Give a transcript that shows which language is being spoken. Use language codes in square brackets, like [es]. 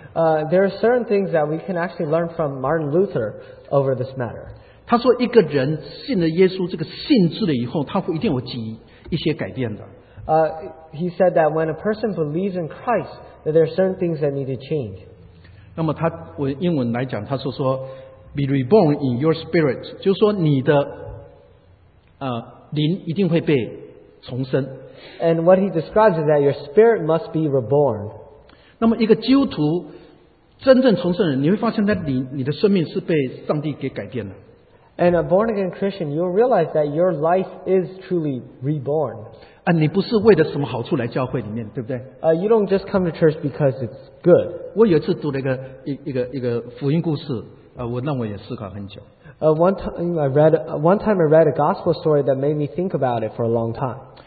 [en] There are certain things that we can actually learn from Martin Luther over this matter. [zh] 他说一个人信了耶稣这个信主了以后，他会一定有几一些改变的。 [en] He said that when a person believes in Christ, that there are certain things that need to change. [zh] 那么他英文来讲，他是说 [en] "be reborn in your spirit," [zh] 就是说你的灵一定会被重生。 [en] And what he describes is that your spirit must be reborn. [zh] 那么一个基督徒真正重生人，你会发现他你的生命是被上帝给改变了。 [en] And a born again Christian, you'll realize that your life is truly reborn. [zh] 你不是为了什么好处来教会里面，对不对？ [en] You don't just come to church because it's good. [zh] 我有一次读了一个福音故事，让我也思考很久。 [en] One time I read a gospel story that made me think about it for a long time.